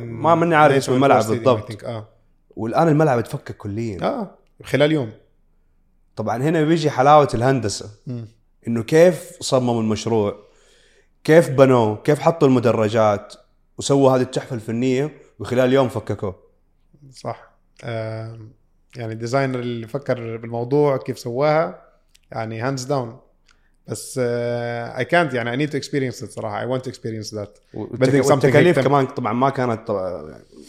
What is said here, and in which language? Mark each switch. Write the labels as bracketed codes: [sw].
[ar] ما مني عارف اسم الملعب بالضبط والآن الملعب تفكك كليا خلال يوم طبعا هنا بيجي حلاوة الهندسة انه كيف صمموا المشروع كيف بنوا كيف حطوا المدرجات وسووا هذه التحفة الفنية وخلال يوم فككوه صح يعني الديزاينر اللي فكر بالموضوع كيف سواها [en] يعني hands down بس I can't يعني I need to experience it صراحة I want to experience that [ar] والتكاليف كمان طبعا ما كانت طبعا